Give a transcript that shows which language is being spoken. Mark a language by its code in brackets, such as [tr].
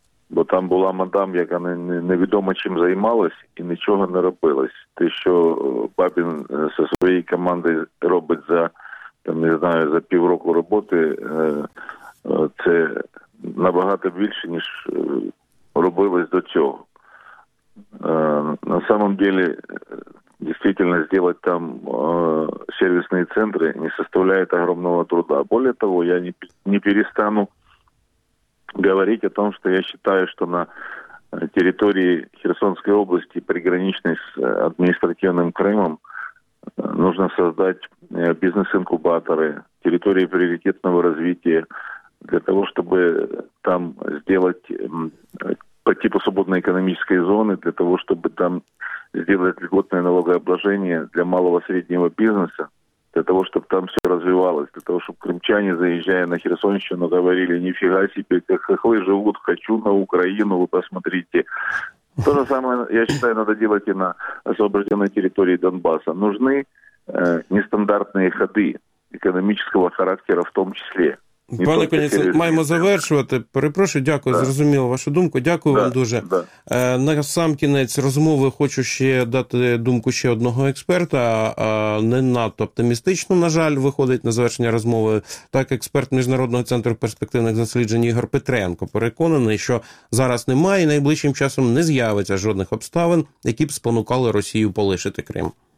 [uk] Бо там була мадам, яка невідомо чим займалась і нічого не робилась. Те, що Бабін зі своєї команди робить за, там, не знаю, за півроку роботи, це набагато більше, ніж робилось до цього. [ru] На самом деле, действительно, сделать там сервисные центры не составляет огромного труда. Более того, я не перестану говорить о том, что я считаю, что на территории Херсонской области, приграничной с административным Крымом, нужно создать бизнес-инкубаторы, территории приоритетного развития, для того, чтобы там сделать по типу свободной экономической зоны, для того, чтобы там сделать льготное налогообложение для малого и среднего бизнеса, для того, чтобы там все развивалось, для того, чтобы крымчане, заезжая на Херсонщину, говорили, нифига себе, хохлы живут, хочу на Украину, вы посмотрите. То же самое, я считаю, надо делать и на освобожденной территории Донбасса. Нужны нестандартные ходы экономического характера в том числе. [uk] Пане Коніце, маємо завершувати. Перепрошую, дякую, зрозуміло вашу думку. Дякую вам дуже. На сам кінець розмови хочу ще дати думку ще одного експерта. Не надто оптимістично, на жаль, виходить на завершення розмови. Так, експерт Міжнародного центру перспективних досліджень Ігор Петренко переконаний, що зараз немає і найближчим часом не з'явиться жодних обставин, які б спонукали Росію полишити Крим.